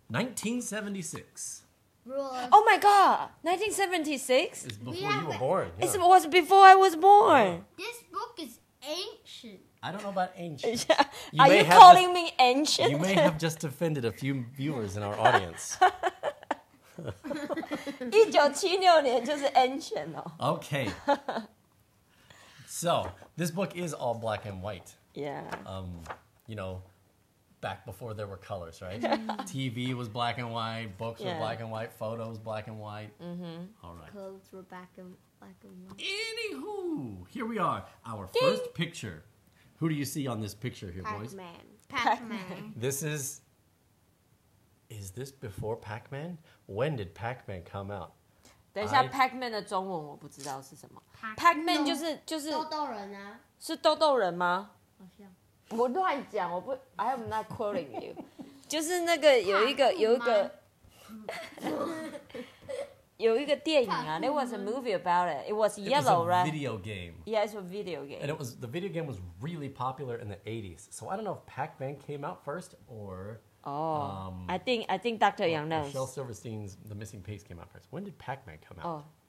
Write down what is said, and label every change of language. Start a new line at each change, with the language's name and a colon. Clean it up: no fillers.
English: 1976. Rulers. Oh my god! 1976? It's before you were born. Yeah. It was before I was born. Yeah. This book is ancient. I don't know about ancient. Yeah. Are you calling me ancient? You may have just offended a few viewers in our audience.
Chinese: 1976年就是 ancient 哦。
English: Okay. So, this book is all black and white. Yeah. You know, back before there were colors, right? TV was black and white, books were black and white, photos black and white. Mm-hmm. All right. Clothes were black and white. Anywho, here we are. Our first picture. Who do you see on this picture here, Pac-Man. Boys? Pac-Man. Is this before Pac-Man? When did Pac-Man come out?
Chinese: 等一下, Pac-Man 的中文我不知道是什么。 Pac-Man 就是豆豆人啊。是豆豆人吗? 好像。我乱讲, 我不,
English: I am not quoting you.
Chinese: 就是那个有一个 有一个电影啊,
English: there was a movie about it. It was yellow, right? It was a video game. Yeah, it's a video game. And the video game was really popular in the 80s. So I don't know if Pac-Man came out first or... I think Dr. Yang knows. Michelle Silverstein's The Missing Piece came out first. When did Pac-Man come out?